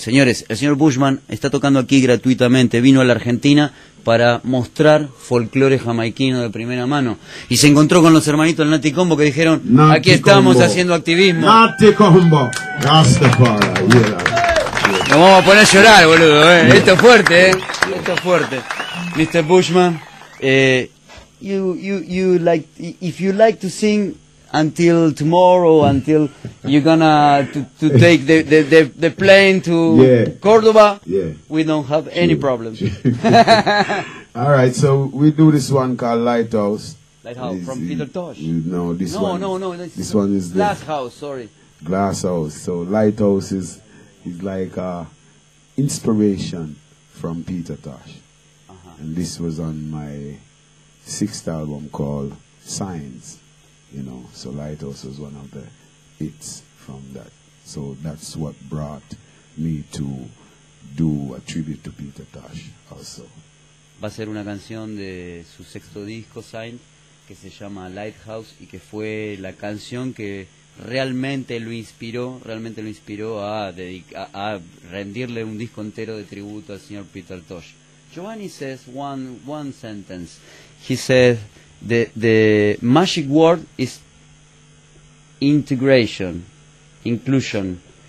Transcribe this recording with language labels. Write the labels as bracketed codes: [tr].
[es] Señores, el señor Bushman está tocando aquí gratuitamente, vino a la Argentina para mostrar folclore jamaiquino de primera mano, y se encontró con los hermanitos del Natty Combo, que dijeron, Natty, aquí estamos Combo, haciendo activismo. [en] Natty Combo, Rastafari, yeah. [es] Nos vamos a poner a llorar, boludo, ¿eh? Yeah. Esto es fuerte, ¿eh? Esto es fuerte. Mr. [en] Bushman, you like, if you like to sing until tomorrow, until you're gonna to take the plane to, yeah, Cordoba, yeah, we don't have any, sure, problems. Sure. All right, so we do this one called Lighthouse. From Peter Tosh? No, this one is Glass House, sorry. Glass House, so Lighthouse is... It's like a inspiration from Peter Tosh. Uh-huh. And this was on my 6th album called Signs, you know. So Lighthouse was one of the hits from that. So that's what brought me to do a tribute to Peter Tosh also. [es] Va a ser una canción de su 6th disco, Signs, que se llama Lighthouse, y que fue la canción que realmente lo inspiró a rendirle un disco entero de tributo al señor Peter Tosh. [en] Giovanni says one sentence. He said the magic word is integration, inclusion.